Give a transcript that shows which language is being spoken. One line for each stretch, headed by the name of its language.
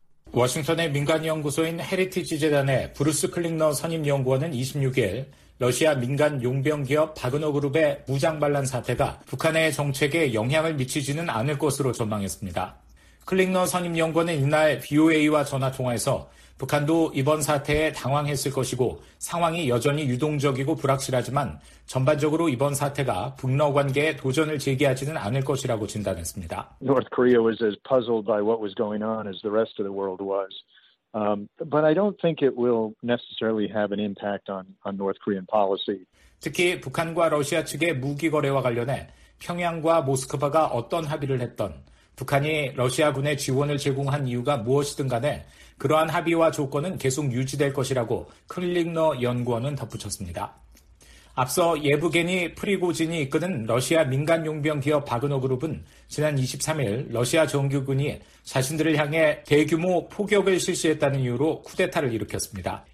Korean: 워싱턴의 민간연구소인 헤리티지재단의 브루스 클링너 선임연구원은 26일 러시아 민간 용병기업 바그너 그룹의 무장반란 사태가 북한의 정책에 영향을 미치지는 않을 것으로 전망했습니다. 클링너 선임연구원은 이날 VOA와 전화통화에서 북한도 이번 사태에 당황했을 것이고 상황이 여전히 유동적이고 불확실하지만 전반적으로 이번 사태가 북러 관계에 도전을 제기하지는 않을 것이라고 진단했습니다.
English: North Korea was as puzzled by what was going on as the rest of the world was. But I don't think it will necessarily have an impact on North Korean policy.
Korean: 특히 북한과 러시아 측의 무기 거래와 관련해 평양과 모스크바가 어떤 합의를 했던 북한이 러시아군에 지원을 제공한 이유가 무엇이든 간에 그러한 합의와 조건은 계속 유지될 것이라고 클링너 연구원은 덧붙였습니다. 앞서 예브게니 프리고진이 이끄는 러시아 민간 용병 기업 바그너 그룹은 지난 23일 러시아 정규군이 자신들을 향해 대규모 폭격을 실시했다는 이유로 쿠데타를 일으켰습니다.